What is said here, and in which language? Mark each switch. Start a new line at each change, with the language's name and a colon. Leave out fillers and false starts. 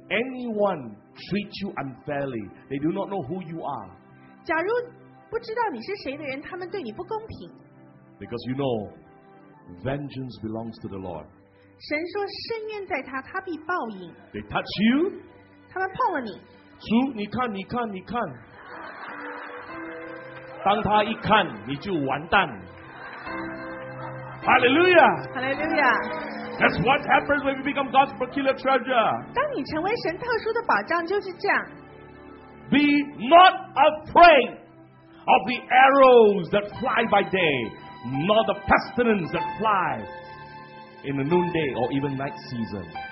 English: Anyone treat you unfairly, they do not know who you are.
Chinese: 假如不知道你是谁的人，他们对你不公平。
English: Because you know, vengeance belongs to the Lord.
Chinese: 神说深渊在他，他必报应。
English: They touch you.
Chinese: 他们碰了你。主，你看，你看，你看。当他一看，你就完蛋。Hallelujah!
English: Hallelujah! That's what happens when you become God's peculiar treasure.
Chinese: 当你成为神特殊的宝藏，就是这样。
English: Be not afraid of the arrows that fly by day, nor the pestilence that fly in the noonday or even night season.